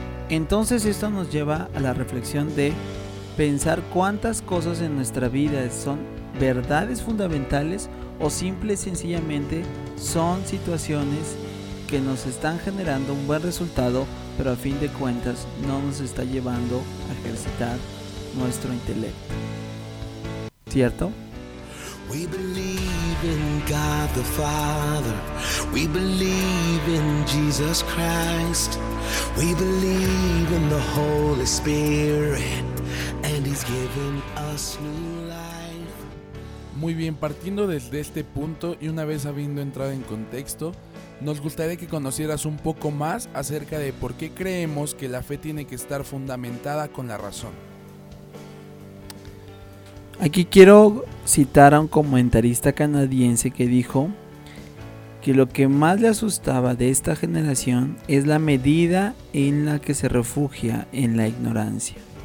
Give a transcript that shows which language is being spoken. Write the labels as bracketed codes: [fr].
[es] Entonces esto nos lleva a la reflexión de pensar cuántas cosas en nuestra vida son verdades fundamentales o simple y sencillamente son situaciones que nos están generando un buen resultado, pero a fin de cuentas no nos está llevando a ejercitar nuestro intelecto. ¿Cierto? [en] We believe in God the Father. We believe in Jesus Christ. We believe in the Holy Spirit and He's given us new life. [es] Muy bien, partiendo desde este punto y una vez habiendo entrado en contexto, nos gustaría que conocieras un poco más acerca de por qué creemos que la fe tiene que estar fundamentada con la razón. Aquí quiero citar a un comentarista canadiense que dijo que lo que más le asustaba de esta generación es la medida en la que se refugia en la ignorancia.